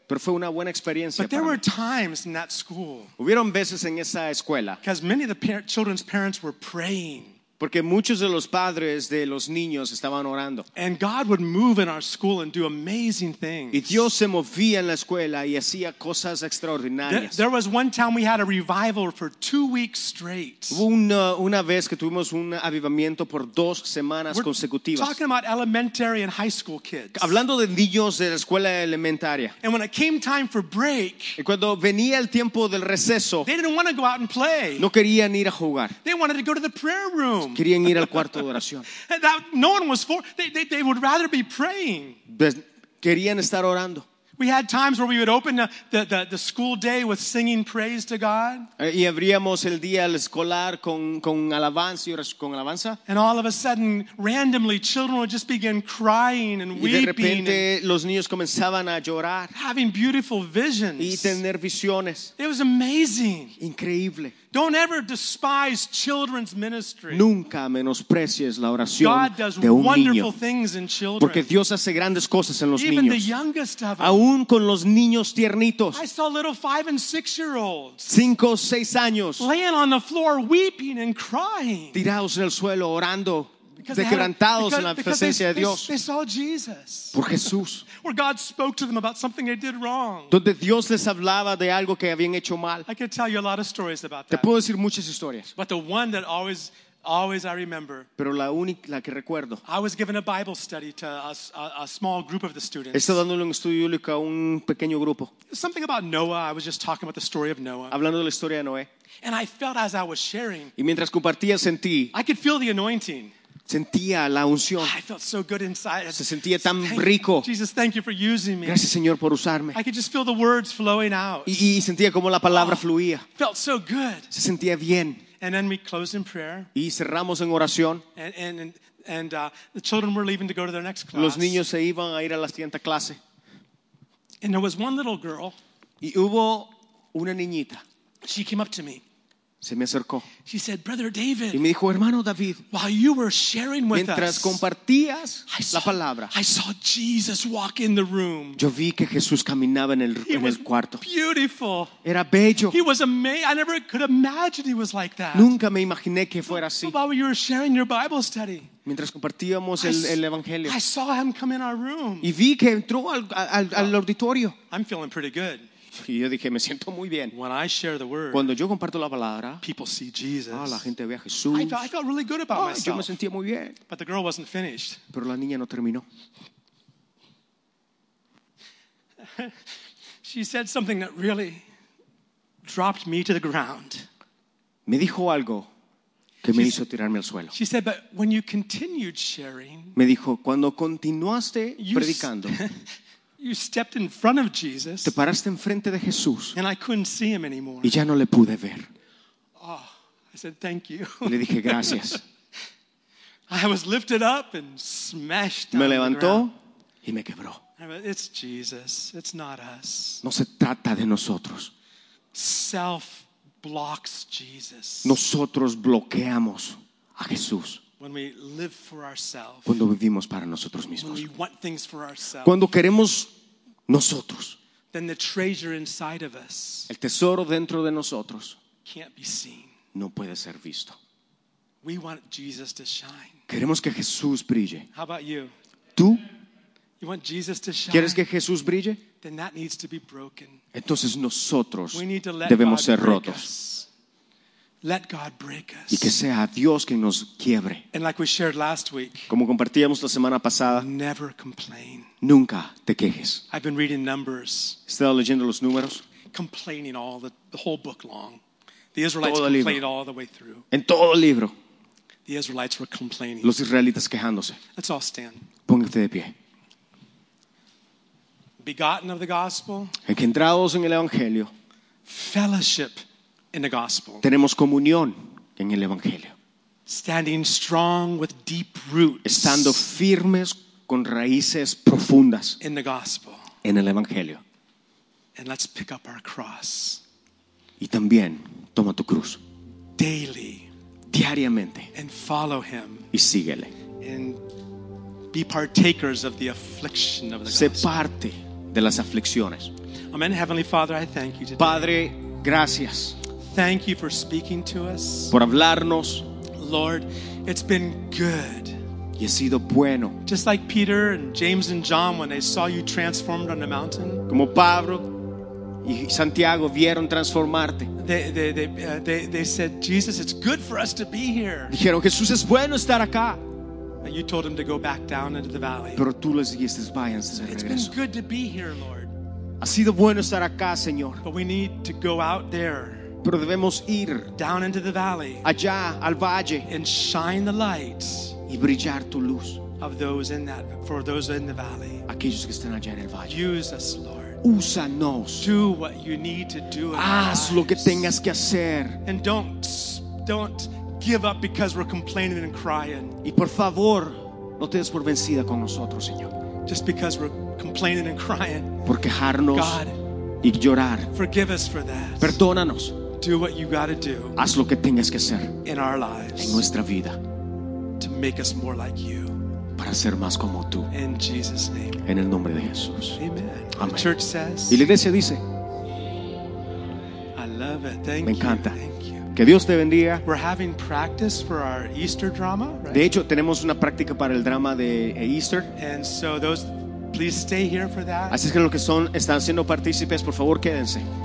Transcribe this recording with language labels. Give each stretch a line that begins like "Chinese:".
Spanish: Pero fue una buena experiencia
English: but there
Spanish: para
English: were
Spanish: mí.
English: Times in that school.
Spanish: Hubieron veces en esa escuela.
English: Because many of the children's parents were praying.
Spanish: Porque muchos de los padres de los niños estaban orando.
English: And God would move in our school and do amazing things.
Spanish: Y Dios se movía en la escuela y hacía cosas extraordinarias.
English: There was one time we had a revival for 2 weeks straight.
Spanish: Una vez que tuvimos un avivamiento por 2 semanas consecutivas.
English: We're talking about elementary and high school kids.
Spanish: Hablando de niños de la escuela elementaria.
English: And when it came time for break,
Spanish: y cuando venía el tiempo del receso,
English: they didn't want to go out and play.
Spanish: No querían ir a jugar.
English: They wanted to go to the prayer room.
Spanish: Querían ir al cuarto de oración.
English: No one was for. They would rather be praying.
Spanish: Querían estar orando.
English: We had times where we would open the school day with singing praise to God.
Spanish: Y abríamos el día escolar con alabanza y con alabanza.
English: And all of a sudden, randomly, children would just begin crying and weeping.
Spanish: Y de repente, los niños comenzaban a llorar.
English: Having beautiful visions.
Spanish: Y tener visiones.
English: It was amazing.
Spanish: Increíble.
English: Don't ever despise children's ministry.
Spanish: Nunca menosprecies la oración
English: God does
Spanish: de un
English: wonderful
Spanish: niño.
English: Things in children.
Spanish: Porque Dios hace grandes cosas en los
English: Even
Spanish: niños.
English: The youngest of them.
Spanish: Aún con los niños tiernitos.
English: I saw little 5 and 6 year olds.
Spanish: 5 o 6 años.
English: Laying on the floor weeping and crying.
Spanish: Tirados en el suelo orando. Quebrantados en la presencia de Dios.
English: They saw Jesus.
Spanish: Por Jesús.
English: Where God spoke to them about something they did wrong.
Spanish: Donde Dios les hablaba de algo que habían hecho mal.
English: I could tell you a lot of stories about that.
Spanish: Te puedo decir muchas historias.
English: But the one that always I remember.
Spanish: Pero la única la que recuerdo.
English: I was giving a Bible study to a small group of the students.
Spanish: Estaba dando un estudio bíblico a un pequeño grupo.
English: Something about Noah. I was just talking about the story of Noah.
Spanish: Hablando de la historia de Noé.
English: And I felt as I was sharing.
Spanish: Y mientras compartía sentí.
English: I could feel the anointing.
Spanish: Sentía la unción.
English: I felt so good inside.
Spanish: Se sentía tan rico.
English: Jesus, thank you for using me.
Spanish: Gracias, Señor, por usarme.
English: I could just feel the words flowing out.
Spanish: Y sentía como la palabra fluía.
English: Felt so good.
Spanish: Se sentía bien.
English: And then we closed in prayer.
Spanish: Y cerramos en oración.
English: And the children were leaving to go to their next class.
Spanish: Los niños se iban a ir a la siguiente clase.
English: And there was one little girl.
Spanish: Y hubo una niñita.
English: She came up to me.
Spanish: Se me acercó.
English: She said, Brother David,
Spanish: y me dijo, hermano David,
English: while you were sharing with
Spanish: mientras
English: us,
Spanish: compartías la palabra,
English: I saw Jesus walk in the room.
Spanish: Yo vi que Jesús caminaba en el cuarto.
English: Beautiful.
Spanish: Era bello.
English: He was amazing. I never could imagine he was like that.
Spanish: Nunca me imaginé que fuera así.
English: But while you were sharing your Bible study,
Spanish: mientras compartíamos el evangelio,
English: I saw him come in our room.
Spanish: Y vi que entró al auditorio.
English: I'm feeling pretty good.
Spanish: Y yo dije, me siento muy bien.
English: When I share the word,
Spanish: cuando yo comparto la palabra,
English: people see Jesus.
Spanish: La gente ve a Jesús.
English: I felt really good about myself.
Spanish: Yo me sentía muy bien.
English: But the girl wasn't finished.
Spanish: Pero la niña no terminó.
English: She said something that really dropped me to the ground.
Spanish: Me dijo algo que me hizo tirarme al suelo.
English: She said, but when you continued sharing,
Spanish: me dijo, cuando continuaste predicando,
English: you stepped in front of Jesus.
Spanish: Te paraste enfrente de Jesús.
English: And I couldn't see him anymore.
Spanish: Y ya no le pude ver.
English: Oh, I said thank you.
Spanish: Le dije gracias.
English: I was lifted up and smashed.
Spanish: Me levantó y me quebró.
English: It's Jesus. It's not us.
Spanish: No se trata de nosotros.
English: Self blocks Jesus.
Spanish: Nosotros bloqueamos a Jesús.
English: When we live for ourselves.
Spanish: Cuando vivimos para nosotros mismos.
English: When we want things for ourselves.
Spanish: Cuando queremos nosotros.
English: Then the treasure inside of us.
Spanish: El tesoro dentro de nosotros.
English: Can't be seen.
Spanish: No puede ser visto.
English: We want Jesus to shine.
Spanish: Queremos que Jesús brille.
English: How about you?
Spanish: ¿Tú?
English: You want Jesus to shine?
Spanish: ¿Quieres que Jesús brille?
English: Then that needs to be broken.
Spanish: Entonces nosotros
English: we need to let
Spanish: debemos
English: God
Spanish: ser
English: break
Spanish: rotos.
English: Us. Let God break us.
Spanish: Y que sea Dios quien nos quiebre.
English: And like we shared last week,
Spanish: como compartíamos la semana pasada,
English: never complain.
Spanish: Nunca te quejes.
English: I've been reading Numbers.
Spanish: Estaba leyendo los números.
English: Complaining all the whole book long. The Israelites complained all the way through.
Spanish: En todo el libro.
English: The Israelites were complaining.
Spanish: Los israelitas quejándose.
English: Let's all stand.
Spanish: Póngate de pie.
English: Begotten of the gospel.
Spanish: Engendrados en el evangelio.
English: Fellowship. In the gospel.
Spanish: Tenemos comunión en el evangelio.
English: Standing strong with deep roots.
Spanish: Estando firmes con raíces profundas.
English: In the gospel.
Spanish: En el evangelio.
English: And let's pick up our cross.
Spanish: Y también toma tu cruz.
English: Daily.
Spanish: Diariamente.
English: And follow him.
Spanish: Y síguele.
English: And be partakers of the affliction of the gospel.
Spanish: Sé parte de las aflicciones.
English: Amen, Heavenly Father, I thank you today.
Spanish: Padre, gracias.
English: Thank you for speaking to us.
Spanish: Por hablarnos.
English: Lord, it's been good.
Spanish: Y he sido bueno.
English: Just like Peter and James and John when they saw you transformed on the mountain.
Spanish: Como Pablo y Santiago vieron transformarte.
English: They said, Jesus, it's good for us to be here.
Spanish: Dijeron, Jesús, es bueno estar acá.
English: You told them to go back down into the valley.
Spanish: Pero tú les dijiste, váyanse de regreso.
English: It's been good to be here, Lord.
Spanish: Ha sido bueno estar acá, Señor.
English: But we need to go out there.
Spanish: Pero debemos ir
English: down into the valley.
Spanish: Allá, al valle.
English: And shine the light.
Spanish: Y brillar tu luz.
English: Of those in that, for those in the valley.
Spanish: Aquellos que están allá en el valle.
English: Use us, Lord.
Spanish: Úsanos.
English: Do what you need to do.
Spanish: Haz lo que tengas que hacer.
English: And don't give up because we're complaining and crying.
Spanish: Y por favor, no te des por vencida con nosotros, Señor.
English: Just because we're complaining and crying.
Spanish: Por quejarnos,
English: God,
Spanish: y llorar.
English: Forgive us for that.
Spanish: Perdónanos.
English: Do what you got to do.
Spanish: Haz lo que tengas que hacer.
English: In our lives.
Spanish: En nuestra vida.
English: To make us more like you.
Spanish: Para ser más como tú.
English: In Jesus' name.
Spanish: En el nombre de Jesús.
English: Amen.
Spanish: Amen.
English: The church says,
Spanish: y la iglesia dice,
English: I love it. Thank
Spanish: me encanta.
English: You. Thank you.
Spanish: Que Dios te bendiga.
English: We're having practice for our Easter drama, right?
Spanish: De hecho, tenemos una práctica para el drama de Easter.
English: And so those, please stay here for that.
Spanish: Así es que los que son, están siendo partícipes, por favor, quédense.